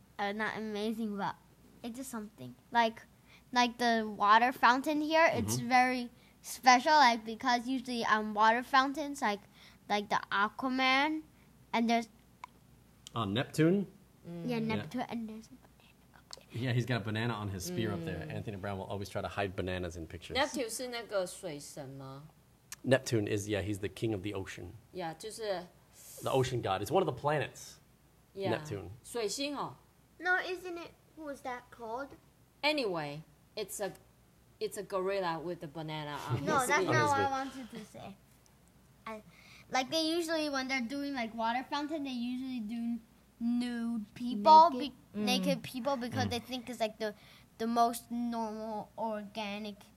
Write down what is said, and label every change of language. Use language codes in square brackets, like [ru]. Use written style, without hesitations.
[en] Not amazing, but it's just something. Like the water fountain here, it's very special. Like because usually on water fountains, like the Aquaman, and there's... On Neptune? Neptune, and there's... Yeah, he's got a banana on his spear up there. Anthony Brown will always try to hide bananas in pictures. [zh] Neptune是那个水神吗? [en] Neptune is, he's the king of the ocean. [zh] Yeah, 就是... [en] The ocean god. It's one of the planets. Yeah. Neptune. [zh] 水星哦? [en] No, isn't it... Who is that called? Anyway, it's a gorilla with a banana on his spear. No, that's not what I wanted to say. Like, they usually, when they're doing, like, water fountain, they usually do nude people, naked people, because they think it's, like, the most normal, organic...